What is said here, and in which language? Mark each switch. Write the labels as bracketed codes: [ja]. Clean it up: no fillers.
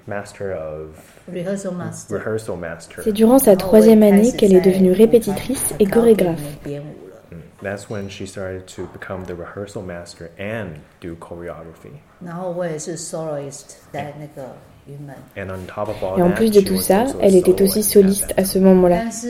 [fr] C'est durant sa troisième année qu'elle est devenue répétitrice et chorégraphe. [en] That's when she started to become the rehearsal master and do choreography. [fr] Et en plus de tout ça, elle était aussi soliste à ce moment-là.